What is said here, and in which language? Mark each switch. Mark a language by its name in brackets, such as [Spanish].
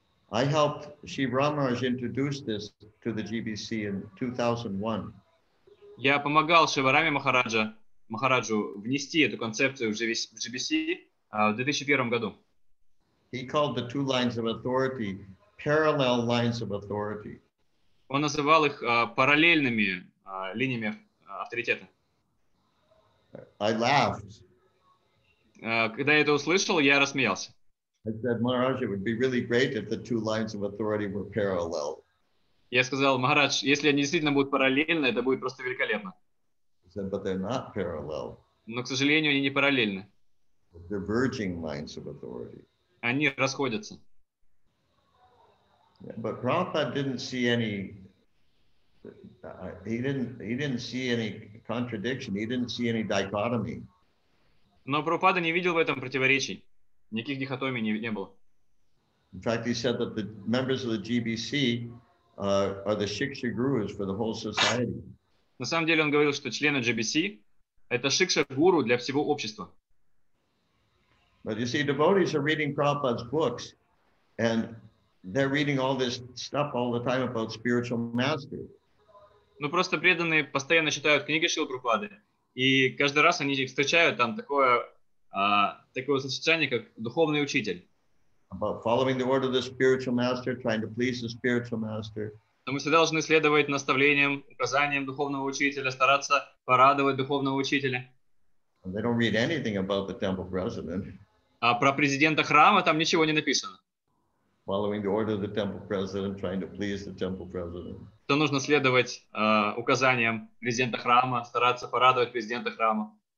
[English] I helped Shri Ramaraj introduce this to the GBC in 2001. [Russian] Я помогал Шиварами Махараджу внести эту концепцию в GBC в 2001 году. [English] He called the two lines of authority parallel lines of authority. [Russian] Он называл их параллельными линиями авторитета. [English] I laughed. [Russian] Когда я это услышал, я рассмеялся. [English] I said, Maharaj, it would be really great if the two lines of authority were parallel. [Russian] Я сказал, Махарадж, если они действительно будут параллельны, это будет просто великолепно. [English] He said, but they're not parallel. [Russian] Но, к сожалению, они не параллельны. [English] Diverging lines of authority. [Russian] Они расходятся. [English] Yeah, but Prabhupada didn't see any. He didn't see any contradiction. He didn't see any dichotomy. [Russian] Но Прабхупада не видел в этом противоречий. Никаких дихотомий не было. [English] In fact, he said that the members of the GBC are the shiksha gurus for the whole society. [Russian] На самом деле он говорил, что члены GBC это шикша гуру для всего общества. [English] But you see, devotees are reading Prabhupada's books, and they're reading all this stuff all the time about spiritual master. [Russian] Ну просто преданные постоянно читают книги Шрилы Прабхупады, и каждый раз они встречают там такое. Такое сочетание, как духовный учитель. [English] following the word of the spiritual master, trying to please the spiritual master. [Russian] Мы всегда должны следовать наставлениям, указаниям духовного учителя, стараться порадовать духовного учителя. [English] They don't read anything about the temple president. [Russian] А про президента храма там ничего не написано. [English] Following the order of the temple president, trying to please the temple president. [Russian] То нужно следовать указаниям президента храма, стараться порадовать президента храма.